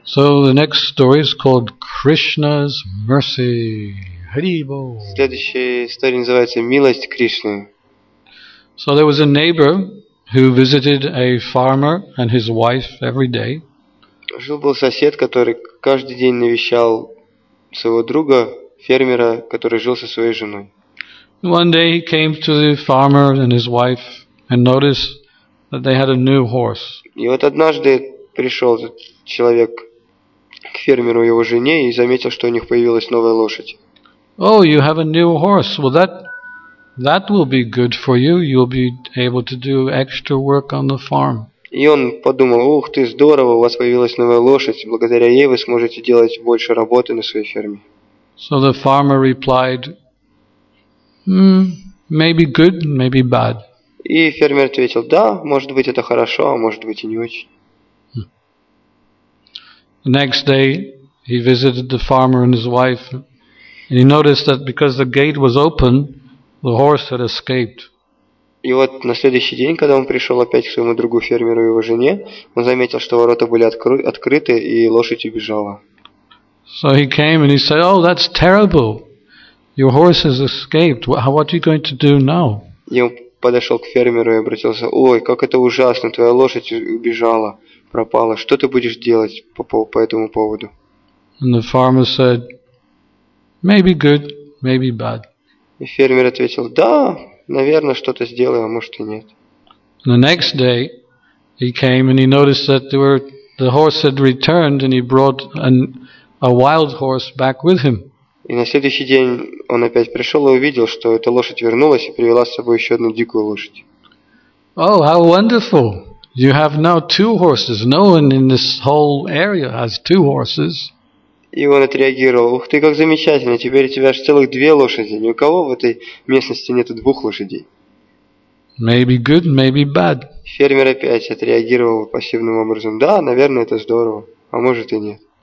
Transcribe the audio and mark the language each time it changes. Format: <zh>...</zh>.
<en>So the next story is called Krishna's Mercy.</en> <ru>Следующая история называется «Милость Кришны».</ru> <en>So there was a neighbor who visited a farmer and his wife every day.</en> <ru>Жил был сосед, который каждый день навещал своего друга, фермера, который жил со своей женой.</ru> <en>One day he came to the farmer and his wife and noticed that they had a new horse.</en> <ru>И вот однажды пришел этот человек к фермеру и его жене и заметил, что у них появилась новая лошадь.</ru> <en>Oh, you have a new horse. Well, that will be good for you. You'll be able to do extra work on the farm.</en> <ru>И он подумал: "Ух ты, здорово! У вас появилась новая лошадь. Благодаря ей вы сможете делать больше работы на своей ферме."</ru> <en>So the farmer replied, "Maybe good, maybe bad."</en> <ru>И фермер ответил, да, может быть, это хорошо, а может быть, и не очень.</ru> <en>Next day he visited the farmer and his wife, and he noticed that because the gate was open, the horse had escaped.</en> <ru>И вот на следующий день, когда он пришел опять к своему другу фермеру и его жене, он заметил, что ворота были открыты, и лошадь убежала.</ru> <en>So he came and he said, oh, that's terrible. Your horse has escaped. What are you going to do now?</en> <ru>И он подошел к фермеру и обратился, ой, как это ужасно, твоя лошадь убежала, пропала. Что ты будешь делать по этому поводу?</ru> <en>And the farmer said, maybe good, maybe bad.</en> <ru>И фермер ответил, да, наверное, что-то сделаю, а может и нет.</ru> <en>And the next day he came and he noticed that the horse had returned, and he brought a wild horse back with him.</en> <ru>И на следующий день он опять пришел и увидел, что эта лошадь вернулась и привела с собой еще одну дикую лошадь.</ru> <en>Oh, how wonderful! You have now two horses. No one in this whole area has two horses.</en> <ru>И он отреагировал, ух ты, как замечательно, теперь у тебя аж целых две лошади, ни у кого в этой местности нету двух лошадей.</ru> <en>Maybe good, maybe bad.</en> <ru>Фермер опять отреагировал пассивным образом, да, наверное, это здорово, а может и нет.</ru>